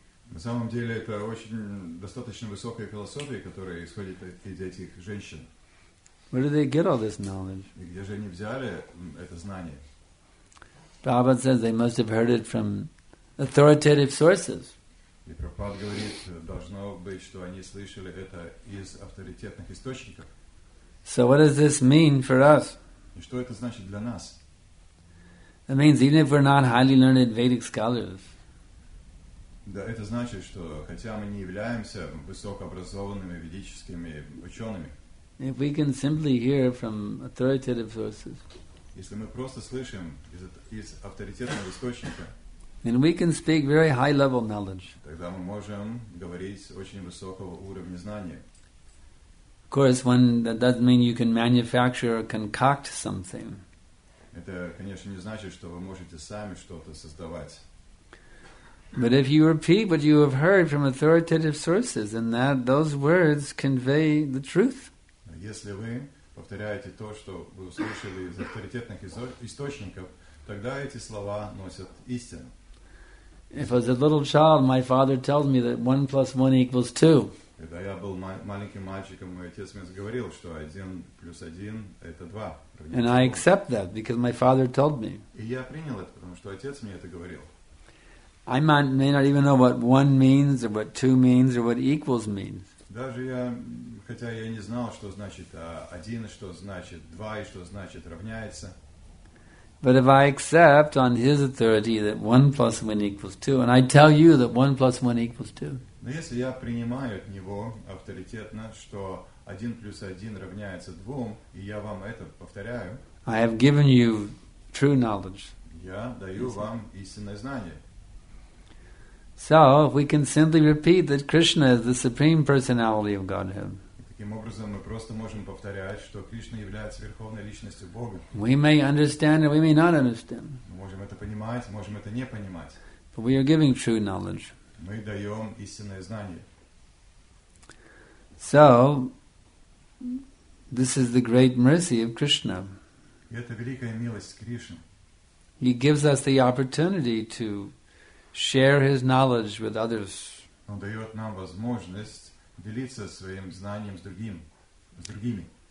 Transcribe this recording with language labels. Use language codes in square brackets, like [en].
[ru] На самом деле это очень достаточно высокая философия, которая исходит из этих женщин. [en] Where did they get all this knowledge? [ru] И где же они взяли это знание? [en] Prabhupada says they must have heard it from authoritative sources. [ru] И Прабхупада говорит, должно быть, что они слышали это из авторитетных источников. [en] So what does this mean for us? [ru] И что это значит для нас? [en] It means even if we're not highly learned Vedic scholars. [ru] Да, это значит, что хотя мы не являемся высокообразованными ведическими учеными. [en] If we can simply hear from authoritative sources. [ru] Если мы просто слышим из авторитетного источника. [en] Then we can speak very high level knowledge. [ru] Тогда мы можем говорить очень высокого уровня знания. [en] Of course, one that doesn't mean you can manufacture or concoct something. [ru] Это, конечно, не значит, что вы можете сами что-то создавать. [en] But if you repeat what you have heard from authoritative sources, then that those words convey the truth. [ru] Если вы повторяете то, что вы услышали из авторитетных источников, тогда эти слова носят истину. [en] If I was a little child, my father tells me that 1 + 1 = 2. [ru] Когда я был маленьким мальчиком, мой отец мне говорил, что 1 + 1 = 2. [en] And I accept that because my father told me. [ru] И я принял это, потому что отец мне это говорил. [en] I may not even know what 1 means or what 2 means or what equals means. [ru] Даже я, хотя я не знал, что значит 1, что значит 2 и что значит равняется. [en] But if I accept on his authority that 1 + 1 = 2, and I tell you that 1 + 1 = 2. [ru] Но если я принимаю от него авторитетно, что 1 + 1 равняется 2, и я вам это повторяю, [en] I have given you true knowledge. [ru] Я даю вам истинное знание. [en] So, if we can simply repeat that Krishna is the Supreme Personality of Godhead. [ru] Так Таким образом, мы просто можем повторять, что Кришна является верховной личностью Бога. [en] We may understand, we may not understand. [ru] Мы можем это понимать, можем это не понимать. [en] But we are giving true knowledge. [ru] Мы даем истинное знание. [en] So, this is the great mercy of Krishna. [ru] Это великая милость Кришны. [en] He gives us the opportunity to share his knowledge with others. [ru] Он дает нам возможность делиться своим знанием с другими.